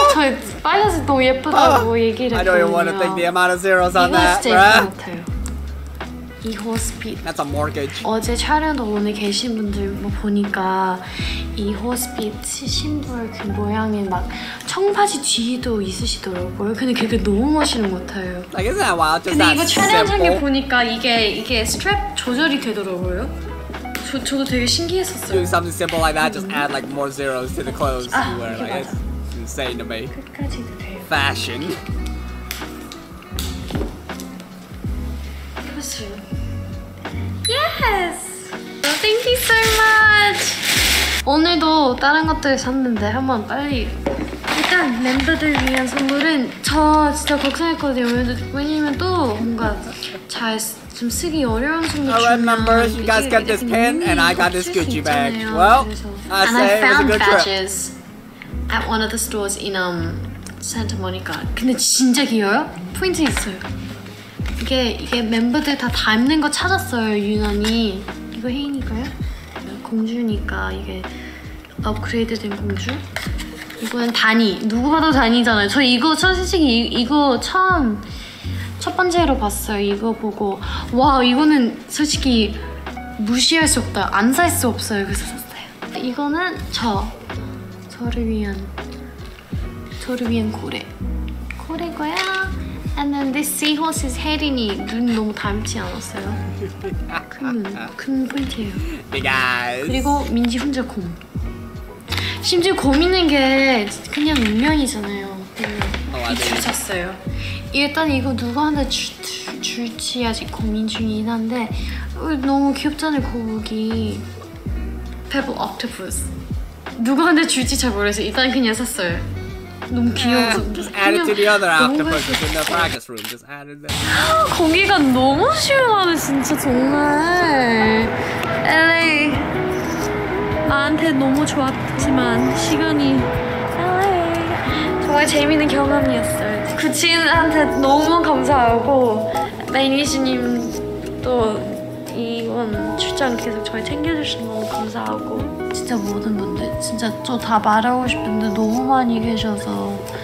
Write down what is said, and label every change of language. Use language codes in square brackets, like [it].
[ko] 저 빨간색 너무 예쁘다고 얘기를 했거든요. [en] I don't even want to think the amount of zeros on that, right? [ko] 이 호스피터. [en] That's a mortgage. [ko] 어제 촬영도 오늘 계신 분들 뭐 보니까 이 호스피터 심볼 그 모양이 막 청바지 뒤도 있으시더라고요. 근데 그게 너무 멋있는 것 같아요. [en] Like, isn't that wild? Just that simple. [ko] 근데 이거 촬영장에 보니까 이게 스트랩 조절이 되더라고요. 저도 되게 신기했었어요. [en] Doing something simple like that, just add like more zeros to the clothes you wear. Like, it's insane to me. Fashion. Yes! Well, thank you so much! [ko] 오늘도 다른 것들 샀는데 한번 빨리. 일단 멤버들 위한 선물은 저 진짜 걱정했거든요. 왜냐면 또 뭔가 잘 [en] Alright members, you guys get this pin and I got this Gucci bag. Well, I say it was a good trip. And I found badges at one of the stores in Santa Monica. [ko] 근데 진짜 귀여워요? 포인트 있어요. 이게 멤버들 다 닮는 거 찾았어요, 유난히. 이거 혜인이가요? 공주니까 이게 업그레이드 된 공주? 이거는 다니. 누구 봐도 다니잖아요. 저 이거 솔직히 이거 처음 첫 번째로 봤어요. 이거 보고 와 이거는 솔직히 무시할 수 없다. 안 살 수 없어요. 그래서 샀어요. 이거는 저를 위한 고래. 고래고요. [en] And then this seahorse's head [ko] 이니 눈 너무 닮지 않았어요. 큰 포인트예요. [en] Big eyes. [ko] 그리고 민지 혼자 곰. 심지어 곰 있는 게 그냥 운명이잖아요. 주셨어요. 일단 이거 누구한테 줄지 아직 고민 중이긴 한데 너무 귀엽잖아요 거북이 [en] Purple Octopus [ko] 누구한테 줄지 잘 모르겠어요 일단 그냥 샀어요 너무 귀여워서 [en] Just add it to the other octopus just in the practice room Just add it there [ko] 공기가 너무 시원하네 진짜 정말 LA 나한테 너무 좋았지만 시간이 LA 정말 재밌는 경험이었어요 구치인한테 너무 감사하고 매니저님도 이번 출장 계속 저희 챙겨주셔서 너무 감사하고 진짜 모든 분들 진짜 저 다 말하고 싶은데 너무 많이 계셔서